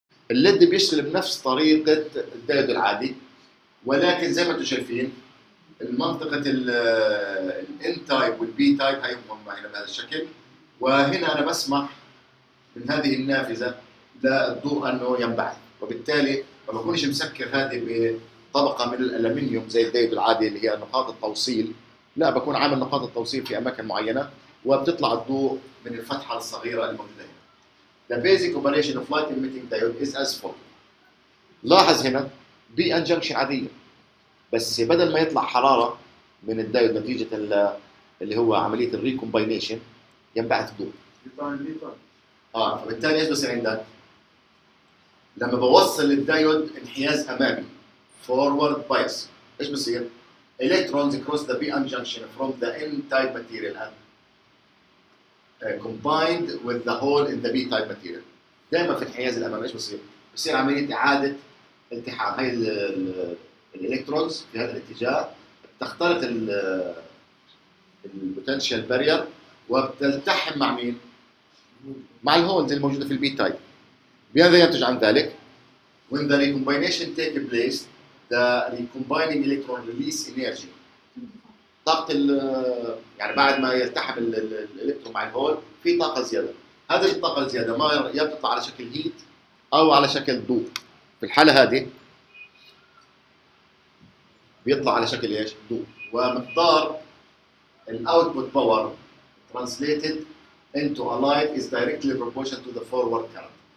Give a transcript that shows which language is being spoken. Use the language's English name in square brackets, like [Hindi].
[Arabic] الليد بيشتغل بنفس طريقة الدايود العادي، ولكن زي ما انتم شايفين المنطقة الان تايب والبي تايب هاي هم هنا بهذا الشكل، وهنا انا بسمح من هذه النافذة للضوء انه ينبعث، وبالتالي ما بكونش مسكر هذه بطبقة من الالمنيوم زي الدايود العادي اللي هي نقاط التوصيل، لا بكون عامل نقاط التوصيل في اماكن معينة وبتطلع الضوء من الفتحة الصغيرة الموجودة. [English] The basic operation of light emitting diode is as follows. [Arabic] لاحظ هنا بي ان جنكشن عادية، بس بدل ما يطلع حرارة من الدايود نتيجة اللي هو عملية الريكومباينيشن ينبعث الضوء. فبالتالي ايش بصير عندك؟ لما بوصل الدايود انحياز امامي [English] forward bias، [Arabic] ايش بصير؟ [English] Electrons cross the P N junction from the n type material combined with the hole in the B type material. [Arabic] دائما في الحياز الامامي ايش بصير؟ بصير عمليه اعاده التحام، هاي الالكترونز في هذا الاتجاه تخترق البوتنشال بارير وبتلتحم مع مين؟ مع الهولز الموجودة في البي تايب. بماذا ينتج عن ذلك؟ [English] When the recombination takes place, the recombining electron release energy. [Arabic] طاقة ال يعني بعد ما يلتحم الالكترون مع الهول في طاقة زيادة. هذه الطاقة الزيادة ما يبطل على شكل هيت أو على شكل ضوء. في الحالة هذه بيطلع على شكل ايش؟ ضوء. ومقدار [English] الاوتبوت power translated into الايت is directly proportion to the forward current.